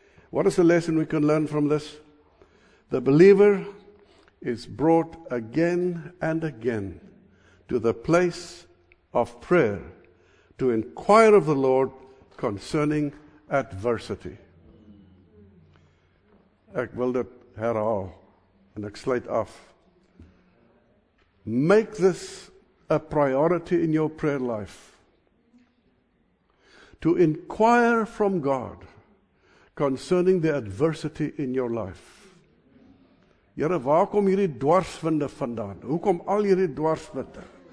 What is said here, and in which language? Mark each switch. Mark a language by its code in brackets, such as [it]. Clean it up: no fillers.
[en] What is the lesson we can learn from this? The believer is brought again and again to the place of prayer to inquire of the Lord concerning adversity. [af] Ek wil dit herhaal en ek sluit af. [en] Make this a priority in your prayer life to inquire from God concerning the adversity in your life. [af] Here, waar kom hierdie dwarswinde vandaan? Hoekom al hierdie dwarswinde?